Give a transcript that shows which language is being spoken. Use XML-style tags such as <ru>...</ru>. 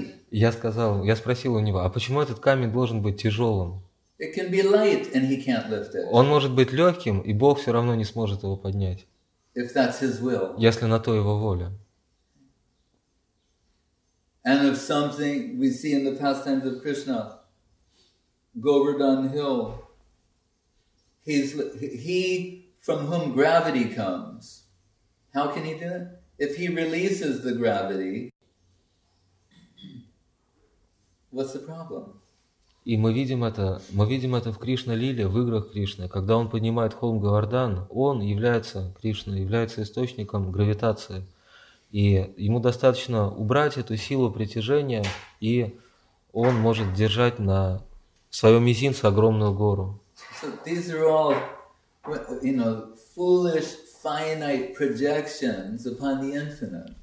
<ru>Я спросил у него, а почему этот камень должен быть тяжелым?</ru> <en>It can be light, and he can't lift it.</en> <ru>Он может быть легким, и Бог все равно не сможет его поднять.</ru> <en>If that's his will.</en> <ru>Если на то его воля.</ru> <en>And if something we see in the pastimes of Krishna, Govardhan Hill, he from whom gravity comes. How can he do it? If he releases the gravity, what's the problem?</en> <ru>И мы видим это в Кришна-лиле, в играх Кришны. Когда он поднимает холм Говардан, он является, Кришна является источником гравитации. И ему достаточно убрать эту силу притяжения, и он может держать на своем мизинце огромную гору.</ru> <en>So these are all, you know, foolish, finite projections upon the infinite.</en>